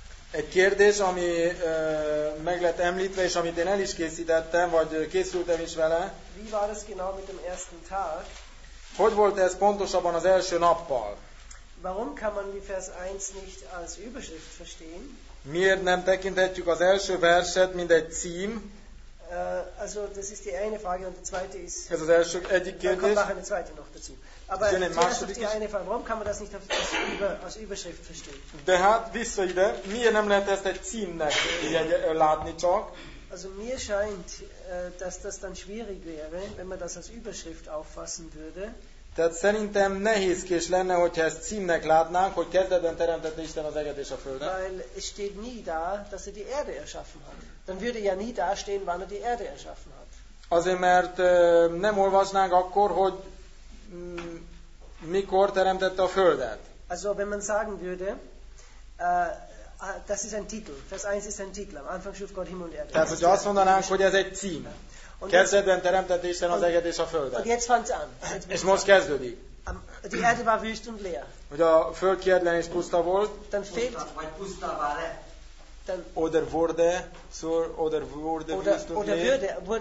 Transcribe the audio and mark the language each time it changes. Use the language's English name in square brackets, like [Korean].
[Hungarian] Egy kérdés, ami meg lett említve, és amit én el is készítettem, vagy készültem is vele. [German] Wie war das genau mit dem ersten Tag? [Hungarian] Hogy volt ez pontosabban az első nappal? [German] Warum kann man die Vers 1 nicht als Überschrift verstehen? [Hungarian] Miért nem tekinthetjük az első verset, mint egy cím? [German] Also das ist die eine Frage und die zweite ist. [Hungarian] Ez az első, egyik kérdés. [German] Dann kommt noch eine zweite noch dazu. Aber die eine Frage, warum kann man das nicht als Überschrift verstehen? [Hungarian] De hát vissza ide, miért nem lehet ezt egy címnek látni csak? [German] Also mir scheint, dass das dann schwierig wäre, wenn man das als Überschrift auffassen würde. [Hungarian] Tehát szerintem nehézkés lenne, hogyha ezt címnek látnánk, hogy kezdetben teremtette Isten az eget és a földet. [German] Weil es steht nie da, dass er die Erde erschaffen hat. Dann würde ja nie da stehen, wann er die Erde erschaffen hat. [Hungarian] Azért, mert nem olvasnánk akkor, hogy mikor teremtette a földet. [German] Also, wenn man sagen würde, das ist ein Titel, Vers 1 ist ein Titel, am Anfang schuf Gott Himmel und Erde. [Hungarian] Tehát, hogyha azt mondanánk, hogy ez egy cím. Kezdetben teremtett Isten az eget és a földet. És most kezdődik. [German] Die Erde war wüst und leer. [Hungarian] Hogy a föld kietlen és puszta volt. [German] Dann fehlt. [Hungarian] Vagy puszta [German] war-e. Oder wurde. So, oder wurde wüst und leer.